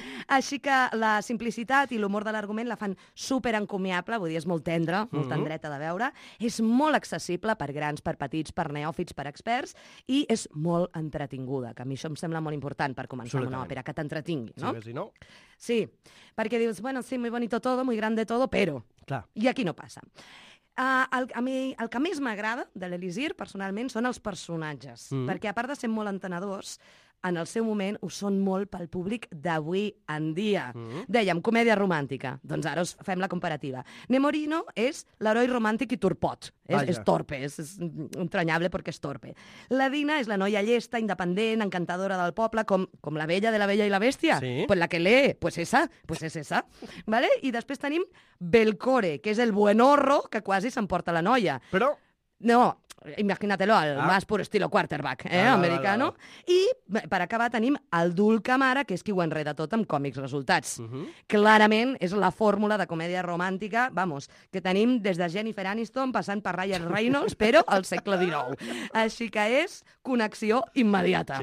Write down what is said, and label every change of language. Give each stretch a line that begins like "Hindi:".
Catalan: Així que la simplicitat i l'humor de l'argument la fan super encomiable, vull dir, és molt tendra, molt tendreta de veure, és molt accessible per grans, per petits, per neòfits, per experts, i és molt entretinguda, que a mi això em sembla molt important per començar una òpera, que t'entretingui, no? Sí, no? Sí, perquè dius,
Spanish: bueno, sí, muy bonito todo, muy grande todo, pero...
Catalan: Clar. I aquí no passa. A mi el que més m'agrada de l'Elisir, personalment, són els personatges. Mm. Perquè, a part de ser molt entenedors, en el seu moment ho són molt pel públic d'avui en dia. Dèiem, comèdia romàntica. Doncs ara us fem la comparativa. Nemorino és l'heroi romàntic i torpot. És torpe, és entranyable perquè és torpe. La Dina és la noia llesta, independent, encantadora del poble, com la vella de la Bella i la Bèstia. Sí.
Spanish: Pues la que lee, pues esa, pues es esa.
Catalan: Vale? I després tenim Belcore, que és el buenorro que quasi s'emporta la noia. Però...
Spanish: No, imagínatelo, el más puro estilo quarterback, americano.
Catalan: I per acabar tenim el Dulcamara, que és qui ho enreda tot amb còmics resultats. Clarament és la fórmula de comèdia romàntica, vamos, que tenim des de Jennifer Aniston passant per Ryan Reynolds, però al segle XIX. Així que és connexió immediata.